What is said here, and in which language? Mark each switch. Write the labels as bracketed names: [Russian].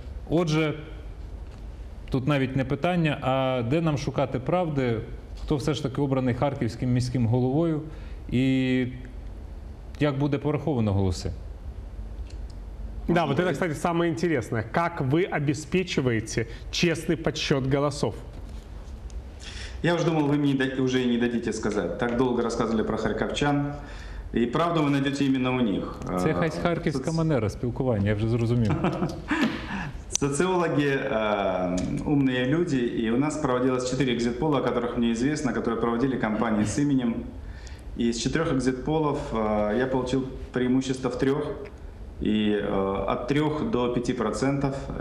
[Ukrainian] Отже, тут навіть не питання, а де нам шукати правди, хто все ж таки обраний харківським міським головою і як буде пораховано голоси? [Russian] Да, вот это, кстати, самое интересное. Как вы обеспечиваете честный подсчет голосов? Я уже думал, вы мне уже и не дадите сказать. Так долго рассказывали про харьковчан. [Ukrainian] І правду ви знайдете іменно у них. Це хай харківська манера спілкування, я вже зрозумів. [Russian] Социологи умные люди, и у нас проводилось 4 экзит-пола, о которых мне известно, которые проводили компании с именем. И из 4 экзит-полов я получил преимущество в 3, и от 3 до 5%.